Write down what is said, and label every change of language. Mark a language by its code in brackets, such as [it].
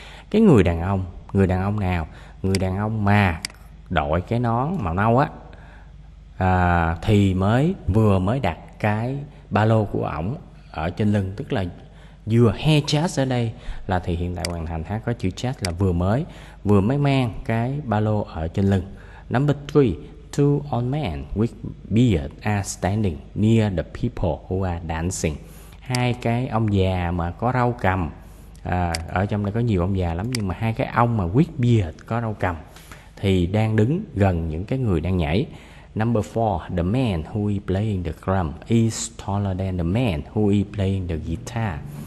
[vi] Cái người đàn ông mà đội cái nón màu nâu á, thì vừa mới đặt cái ba lô của ổng ở trên lưng, tức là vừa he chest ở đây là thì hiện tại hoàn thành ha, có chữ chest là vừa mới mang cái ba lô ở trên lưng. [en] Number 3, two old men with beard are standing near the people who are dancing. [vi] Hai cái ông già mà có râu cằm. Ở trong đây có nhiều ông già lắm, nhưng mà hai cái ông mà [en] with beard [vi] có râu cằm thì đang đứng gần những cái người đang nhảy. [en] Number 4, the man who is playing the drum is taller than the man who is playing the guitar.